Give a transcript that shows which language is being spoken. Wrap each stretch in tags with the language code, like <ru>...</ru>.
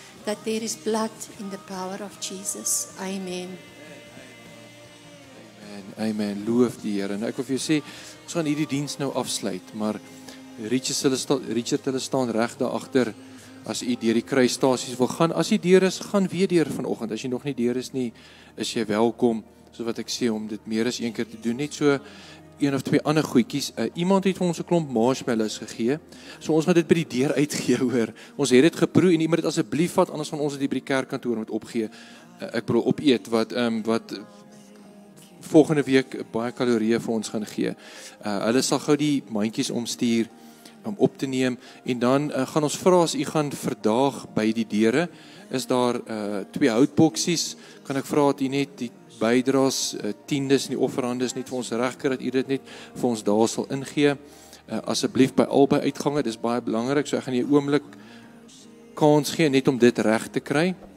<en>That there is blood in the power of Jesus. Amen.</en> <af>Amen. Amen. Loof die Here. En ek wil vir jou sê, ons gaan hierdie diens nou afsluit, maar Richard hulle staan reg daar agter. As jy deur die kruisstasies wil gaan, as jy deur is, gaan weer deur vanoggend. As jy nog nie deur is nie, is jy welkom, soos wat ek sê, om dit meer as een keer te doen. Net so een of twee ander goedjies. Iemand het vir ons 'n klomp marshmallows gegee, so ons gaan dit by die deur uitgee, hoor. Ons het dit geproe en jy moet dit asseblief vat, anders van ons het die by die kerkkantoor moet opgee. Ek bedoel opeet wat volgende week baie kalorieë vir ons gaan gee. Hulle sal gou die mandjies omstuur om op te neem, en dan gaan ons vra as u gaan verdaag by die deure, is daar twee houtboksies, kan ek vra dat u net die bydraes, tiendes en die offerandes net vir ons regkry, dat u dit net vir ons daar sal ingee, asseblief by albei uitgange, dis baie belangrik, so ek gaan u 'n oomblik kans gee, net om dit reg te kry,</af>